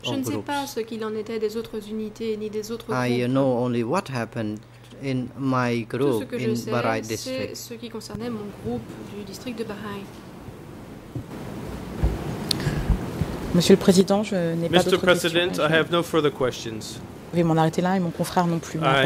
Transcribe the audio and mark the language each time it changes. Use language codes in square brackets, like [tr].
[fr] Je ne sais pas ce qu'il en était des autres unités ni des autres groupes. [en] I know only what happened in my group in Bahrain district. [fr] Tout ce que je sais, c'est ce qui concernait mon groupe du district de Bahrain. Monsieur le Président, je n'ai pas d'autres questions. [en] Mr. President, I have no further questions. [fr] Je vais m'en arrêter là et mon confrère non plus.